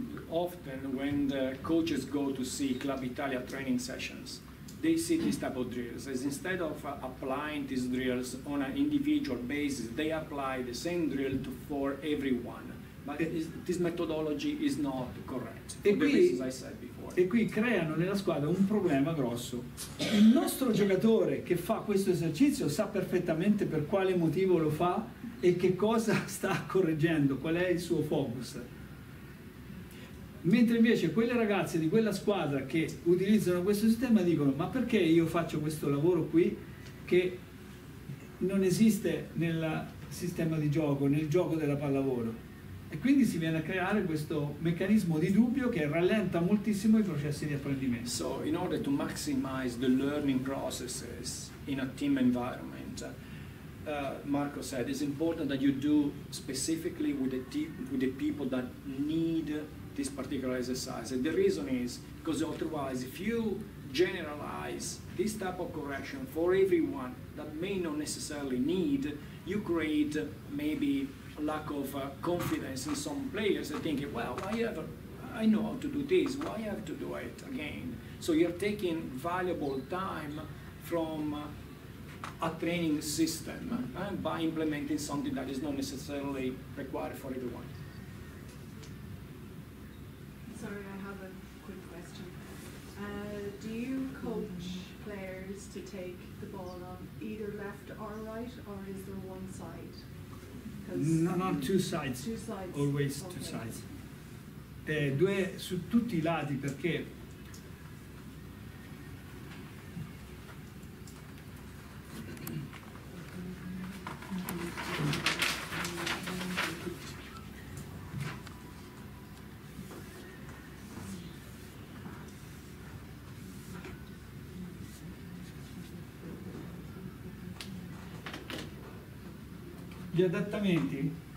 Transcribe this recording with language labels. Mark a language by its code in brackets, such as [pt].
[en] Often when the coaches go to see Club Italia training sessions, they see this type of drills, as instead of applying these drills on an individual basis, they apply the same drill for everyone. But this methodology is not correct. [it] E qui, [en] the reasons I said before. [it] E qui creano nella squadra un problema grosso. Il nostro giocatore che fa questo esercizio sa perfettamente per quale motivo lo fa e che cosa sta correggendo, qual è il suo focus. Mentre invece quelle ragazze di quella squadra che utilizzano questo sistema dicono: ma perché io faccio questo lavoro qui che non esiste nel sistema di gioco, nel gioco della pallavolo? E quindi si viene a creare questo meccanismo di dubbio che rallenta moltissimo i processi di apprendimento. [en] So, in order to maximize the learning processes in a team environment, Marco said it's important that you do specifically with the people that need this particular exercise, and the reason is because otherwise if you generalize this type of correction for everyone that may not necessarily need, you create maybe a lack of confidence in some players and thinking, well, I know how to do this, why I have to do it again? So you're taking valuable time from a training system by implementing something that is not necessarily required for everyone. Sorry, I have a quick question. Do you coach players to take the ball on either left or right, or is there one side? No, two sides. Two sides. Always okay. Two sides. [it] Due su tutti i lati, perché gli adattamenti